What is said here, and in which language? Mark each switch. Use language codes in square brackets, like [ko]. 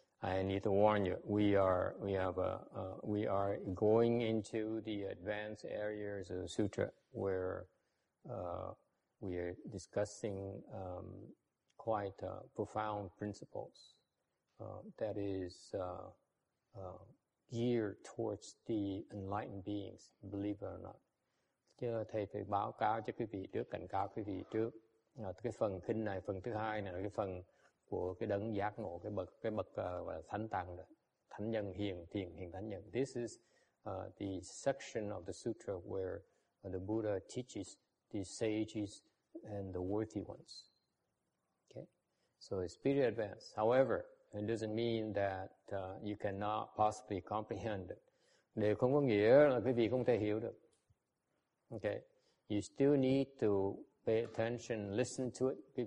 [en] I need to warn you, we are going into the advanced areas of the sutra where we are discussing quite profound principles that is geared towards the enlightened beings, believe it or not. [vi] Chứ thầy phải báo cáo cho quý vị trước, cảnh cáo quý vị trước. Cái phần kinh này, phần thứ hai này là cái phần của cái đấng giác ngộ, cái bậc và thánh tăng đó, thánh nhân hiền thiền hiền thánh nhân. [en] This is the section of the sutra where the Buddha teaches the sages and the worthy ones. Okay, so it's pretty advanced. However, it doesn't mean that you cannot possibly comprehend it. [vi] Điều không có nghĩa là quý vị không thể hiểu được. [en] Okay, you still need to pay attention, listen to it.